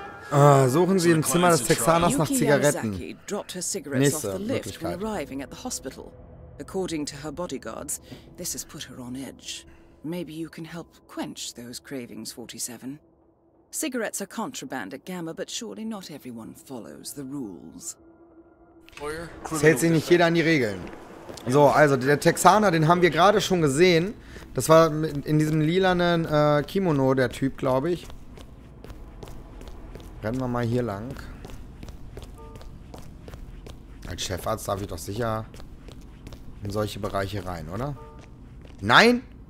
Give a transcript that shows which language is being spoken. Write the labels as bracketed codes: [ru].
[de] Suchen Sie im Zimmer des Texaners nach Zigaretten. [en] Yuki Yamazaki dropped her cigarettes off the lift when arriving at the hospital. According to her bodyguards, this has put her on edge. Maybe you can help quench those cravings, 47. Cigarettes are contraband at Gamma, but surely not everyone follows the rules. [de] Es hält sich nicht jeder an die Regeln. So, also der Texaner, den haben wir gerade schon gesehen. Das war in diesem lilanen Kimono der Typ, glaube ich. Rennen wir mal hier lang. Als Chefarzt darf ich doch sicher in solche Bereiche rein, oder? Nein!